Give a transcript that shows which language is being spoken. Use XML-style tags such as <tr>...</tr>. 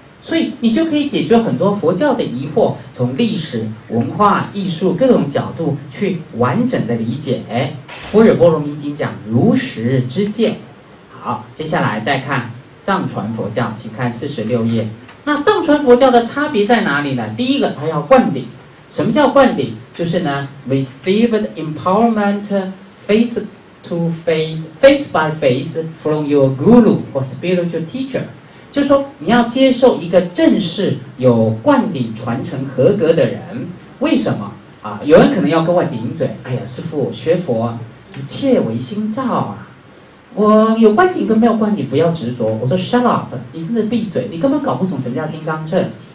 <zh>所以你就可以解决很多佛教的疑惑，从历史、文化、艺术各种角度去完整的理解。哎，《般若波罗蜜经》讲如实之见。好，接下来再看藏传佛教，请看46页。那藏传佛教的差别在哪里呢？第一个，它要灌顶。什么叫灌顶？就是呢</zh> <en>，received empowerment face to face, face by face from your guru or spiritual teacher。</en> <zh>就是说你要接受一个正式有灌顶传承合格的人。为什么啊？有人可能要跟我顶嘴，哎呀师父，学佛一切唯心造啊，我有灌顶跟没有灌顶不要执着。我说</zh> <en>shut up，</en> <zh>你真的闭嘴，你根本搞不懂什么叫金刚乘。</zh>